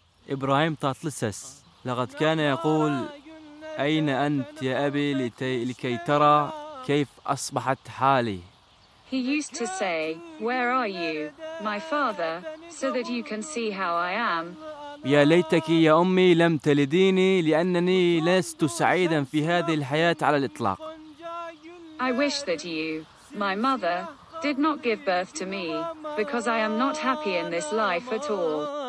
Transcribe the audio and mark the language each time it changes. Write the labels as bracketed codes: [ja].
[ar] إبراهيم تاتلسس لقد كان يقول أين أنت يا أبي لكي ترى كيف أصبحت حالي. [en] He used to say, where are you, my father, so that you can see how I am. [ar] يا ليتك يا أمي لم تلديني لأنني لست سعيدا في هذه الحياة على الإطلاق. [en] I wish that you, my mother, did not give birth to me, because I am not happy in this life at all.